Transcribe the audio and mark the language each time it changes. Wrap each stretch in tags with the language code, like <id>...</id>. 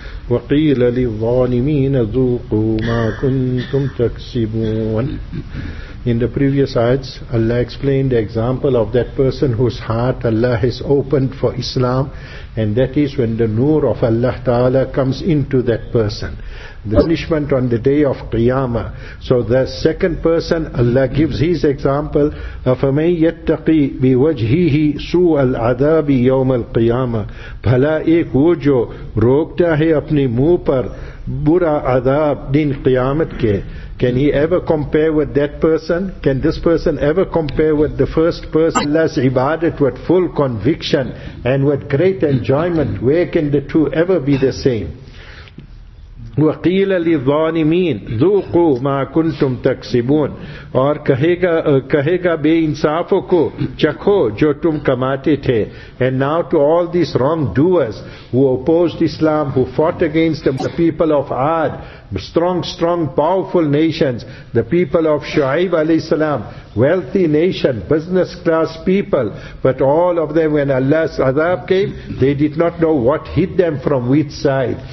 <ar>وقيل للظالمين ذوقوا ما كنتم تكسبون.</ar> <en>In the previous ayats, Allah explained the example of that person whose heart Allah has opened for Islam, and that is when the nur of Allah Ta'ala comes into that person. The punishment on the day of Qiyamah. So the second person, Allah gives his example,</en> <ar>أَفَمَنْ يَتَّقِي بِوَجْهِهِ سُوَ الْعَذَابِ يَوْمَ الْقِيَامَةِ</ar> <ur>بھلا ایک وہ جو روکتا ہے اپنی منہ پر برا عذاب دن قیامت کے.</ur> <en>Can he ever compare with that person? Can this person ever compare with the first person? Allah's ibadat with full conviction and with great enjoyment. Where can the two ever be the same?</en> <ar>وَقِيلَ لِظَّالِمِينَ ذُوقُوا مَا كُنْتُمْ تَكْسِبُونَ</ar> <ur>اور کہے گا بے انصافوں کو چکھو جو تم کماتے تھے.</ur> <en>And now to all these wrongdoers who opposed Islam, who fought against the people of Aad, strong, powerful nations, the people of Shu'aib alayhi salam, wealthy nation, business class people, but all of them when Allah's azab came, they did not know what hit them from which side.</en>